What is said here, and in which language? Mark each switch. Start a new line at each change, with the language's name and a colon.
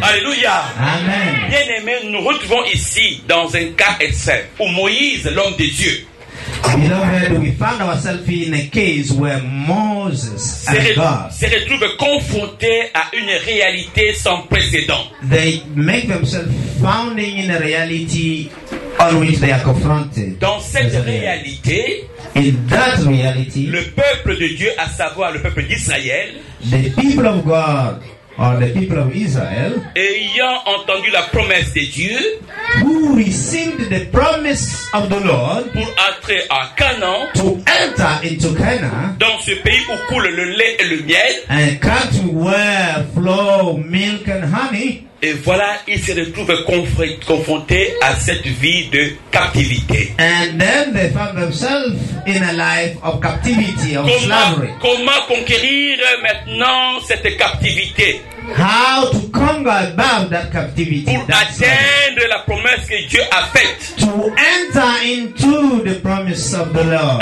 French: Alléluia. Amen. Bien-aimés, nous nous retrouvons ici dans un cas extrême où Moïse, l'homme de Dieu, se retrouve confronté à une réalité sans précédent.
English: They make themselves found in a reality on which they are confronted.
French: Dans cette réalité,
English: in that reality,
French: le peuple de Dieu, à savoir le peuple d'Israël,
English: the people of God. Or the people of Israel,
French: ayant entendu la promesse de Dieu,
English: who received the promise of the Lord,
French: pour entrer à Canaan,
English: to enter into Canaan,
French: dans ce pays où coule le lait et le miel,
English: and country where flow milk and honey,
French: et voilà, il se retrouve confronté à cette vie de captivité.
English: And then they found themselves in a life of captivity, of slavery.
French: Comment conquérir maintenant cette captivité?
English: How to conquer about that captivity?
French: Pour atteindre la promesse que Dieu a faite.
English: To enter into the promise of the Lord.